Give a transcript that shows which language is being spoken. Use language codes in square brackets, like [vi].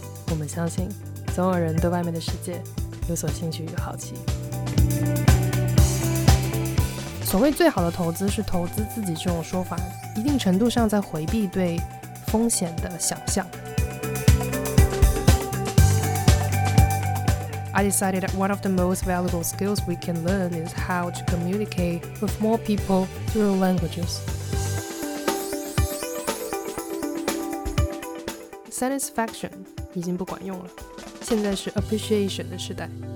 [zh] 我们相信总有人对外面的世界有所兴趣与好奇。所谓最好的投资是投资自己，这种说法一定程度上在回避对风险的想象。 [en] I decided that one of the most valuable skills we can learn is how to communicate with more people through languages. [zh] Satisfaction 已经不管用了，现在是 appreciation 的时代。